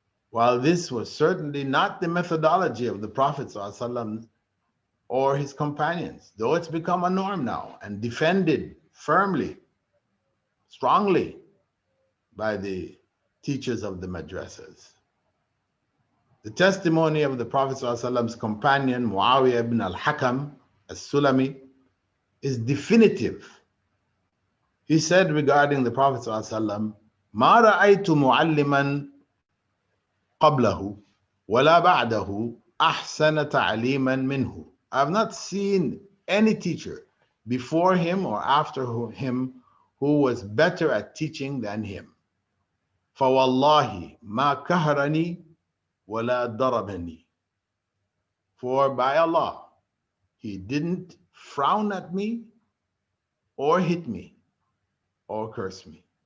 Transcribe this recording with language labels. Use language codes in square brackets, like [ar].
[en] While this was certainly not the methodology of the Prophet or his companions, though it's become a norm now and defended firmly, strongly, by the teachers of the madrasas. The testimony of the Prophet's companion, Muawiyah ibn al-Hakam al-Sulami, is definitive. He said regarding the Prophet, [ar] مَا رَأَيْتُ مُعَلِّمًا قَبْلَهُ وَلَا بَعْدَهُ أَحْسَنَ تَعْلِيمًا مِنْهُ. [en] I have not seen any teacher before him or after him who was better at teaching than him. [ar] فَوَاللَّهِ مَا كَهْرَنِي وَلَا ضَرَبَنِي. [en] For by Allah, he didn't frown at me or hit me or curse me.